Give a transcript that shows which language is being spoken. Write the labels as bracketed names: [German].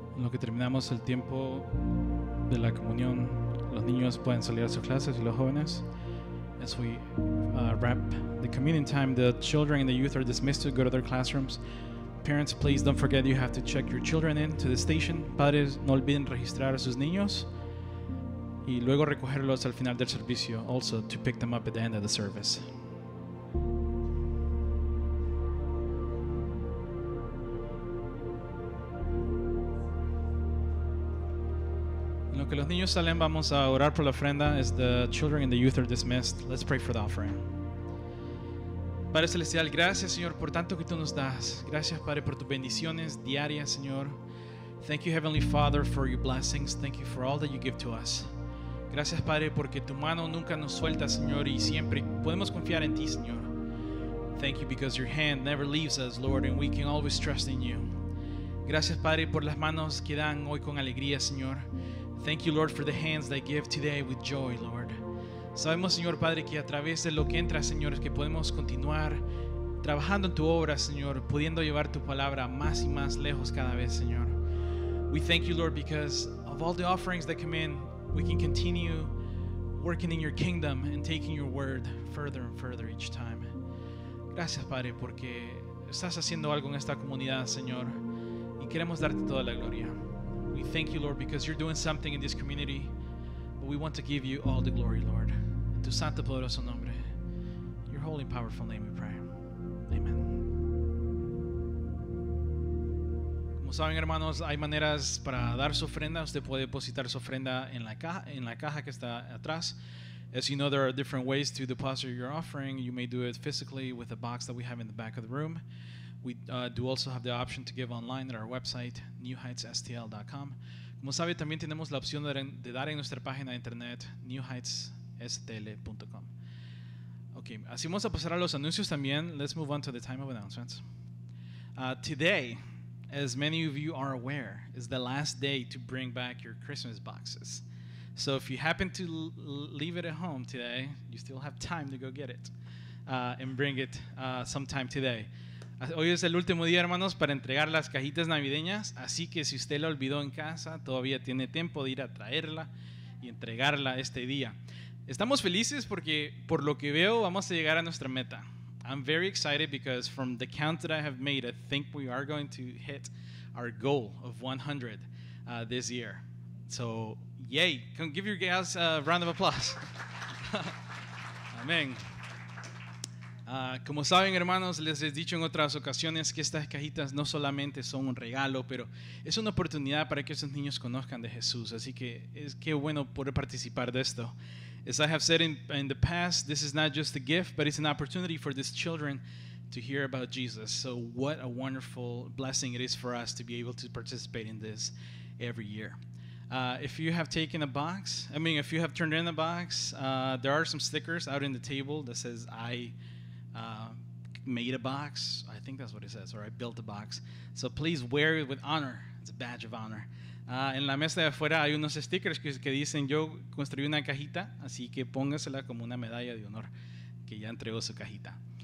[Spanish] que terminamos el tiempo de la comunión, los niños pueden salir a sus clases y los jóvenes. [English] As we wrap the communion time, the children and the youth are dismissed to go to their classrooms. Parents, please don't forget you have to check your children in to the station. [Spanish] Padres, no olviden registrar a sus niños y luego recogerlos al final del servicio, [English] also to pick them up at the end of the service. [Spanish] Los niños salen, vamos a orar por la ofrenda. [English] As the children and the youth are dismissed, let's pray for the offering. [Spanish] Padre Celestial, gracias, Señor, por tanto que tú nos das. Gracias, Padre, por tus bendiciones diarias, Señor. [English] Thank you, Heavenly Father, for your blessings. Thank you for all that you give to us. [Spanish] Gracias, Padre, porque tu mano nunca nos suelta, Señor, y siempre podemos confiar en ti, Señor. [English] Thank you because your hand never leaves us, Lord, and we can always trust in you. [Spanish] Gracias, Padre, por las manos que dan hoy con alegría, Señor. [English] Thank you, Lord, for the hands that give today with joy, Lord. [Spanish] Sabemos, Señor, Padre, que a través de lo que entra, Señor, es que podemos continuar trabajando en tu obra, Señor, pudiendo llevar tu palabra más y más lejos cada vez, Señor. [English] We thank you, Lord, because of all the offerings that come in, we can continue working in your kingdom and taking your word further and further each time. [Spanish] Gracias, Padre, porque estás haciendo algo en esta comunidad, Señor, y queremos darte toda la gloria. [English] We thank you, Lord, because you're doing something in this community. But we want to give you all the glory, Lord. [Spanish] En tu santo poderoso nombre. [English] Your holy and powerful name, we pray. Amen. [Spanish] Como saben, hermanos, hay maneras para dar su ofrenda. Usted puede depositar su ofrenda en la caja que está atrás. [English] As you know, there are different ways to deposit your offering. You may do it physically with a box that we have in the back of the room. We do also have the option to give online at our website, newheightsstl.com. [Spanish] Como sabe, también tenemos la opción de dar en nuestra página de internet, newheightsstl.com. Okay, así vamos a pasar a los anuncios también. [English] Let's move on to the time of announcements. Today, as many of you are aware, is the last day to bring back your Christmas boxes. So if you happen to leave it at home today, you still have time to go get it and bring it sometime today. [Spanish] Hoy es el último día, hermanos, para entregar las cajitas navideñas, así que si usted la olvidó en casa, todavía tiene tiempo de ir a traerla y entregarla este día. Estamos felices porque, por lo que veo, vamos a llegar a nuestra meta. [English] I'm very excited because from the count that I have made, I think we are going to hit our goal of 100 this year. So, yay! Can give your guys a round of applause. Amen. [Spanish] Como saben, hermanos, les he dicho en otras ocasiones que estas cajitas no solamente son un regalo, pero es una oportunidad para que esos niños conozcan de Jesús. Así que es qué bueno poder participar de esto. [English] As I have said in the past, this is not just a gift, but it's an opportunity for these children to hear about Jesus. So what a wonderful blessing it is for us to be able to participate in this every year. If you have taken a box, I mean, if you have turned in a box, there are some stickers out in the table that says I made a box. I think that's what it says, or I built a box. So please wear it with honor. It's a badge of honor. [Spanish] En la mesa de afuera hay unos stickers que dicen yo construí una cajita, así que póngasela como una medalla de honor que ya entregó su cajita.